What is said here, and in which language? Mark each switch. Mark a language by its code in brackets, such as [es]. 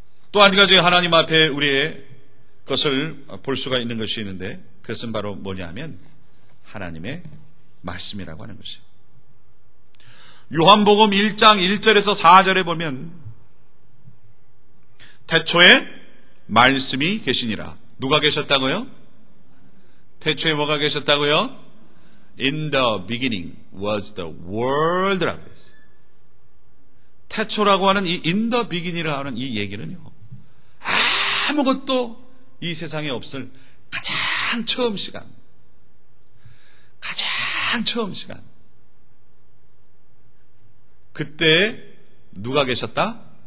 [ko] 또 한 가지 하나님 앞에 우리의 것을 볼 수가 있는 것이 있는데 그것은 바로 뭐냐 하면 하나님의 말씀이라고 하는 것이에요. 요한복음 1장 1절에서 4절에 보면 태초에 말씀이 계시니라. 누가 계셨다고요? 태초에 뭐가 계셨다고요? [en] In the beginning was the word [ko] 라고 했어요. 태초라고 하는 이 [en] in the beginning [ko] 이라고 하는 이 얘기는요, 아무것도 이 세상에 없을 가장 처음 시간, 가장 처음 시간, 그때 누가 계셨다?